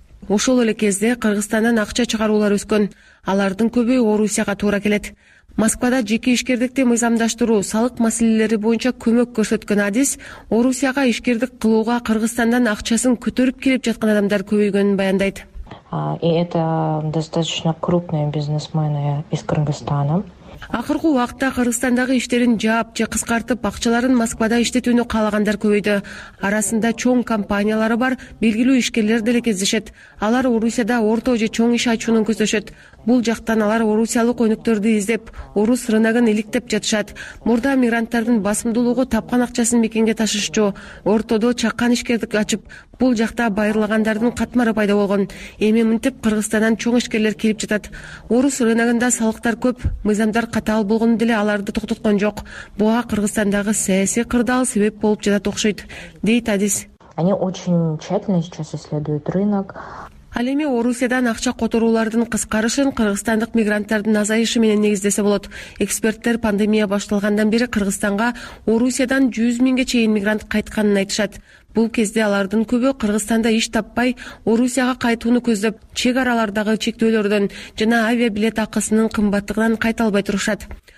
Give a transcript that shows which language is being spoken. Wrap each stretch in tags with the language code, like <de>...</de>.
<ky>Ошол эле кезде Кыргызстандан акча чыгаруулар өскөн, алардын көбү Орусияга туура келет. Москвада жеке ишкердикти мыйзамдаштыруу, салык маселелери боюнча көмөк көрсөткөн адис Орусияга ишкердик кылууга Кыргызстандан акчасын көтөрүп келип жаткан адамдар көбөйгөнүн баяндайт.</ky> <ru>Это достаточно крупные бизнесмены из Кыргызстана.</ru> <ky>Акыркы убакта Кыргызстандагы иштерин жаап же кыскартып акчаларын Москвада иштетүүнү каалагандар көбөйдү. Арасында чоң компаниялары бар, белгилүү ишкерлер деле кездешет. Алар Орусияда орто же чоң иш ачууну көздөшөт. Бул жактан алар орусиялык өнүктөрдү издеп, орус рыногун иликтеп жатышат. Мурда мигранттардын басымдуулугу тапкан акчасын мекенге ташышчу, ортодо чакан ишкердик ачып, бул жакта байырлагандардын катмары пайда болгон. Эми мынтип Кыргызстандан чоң ишкерлер келип жатат. Орус рыногунда салыктар көп, мыйзамдар катаал болгону деле аларды токтоткон жок. Буга Кыргызстандагы саясий кырдаал себеп болуп жатат окшойт, дейт адис.</ky> <ru>Они очень тщательно сейчас исследуют рынок.</ru> <ky>Ал эми Орусиядан акча которуулардын кыскарышын кыргызстандык мигранттардын азайышы менен негиздесе болот. Эксперттер пандемия башталгандан бери Кыргызстанга Орусиядан 100 000 чейин мигрант кайтканын айтышат. Бул кезде алардын көбү Кыргызстанда иш таппай, Орусияга кайтууну көздөп, чек аралардагы чектөөлөрдөн жана авиабилет акысынын кымбаттыгынан кайта албай турушат.</ky>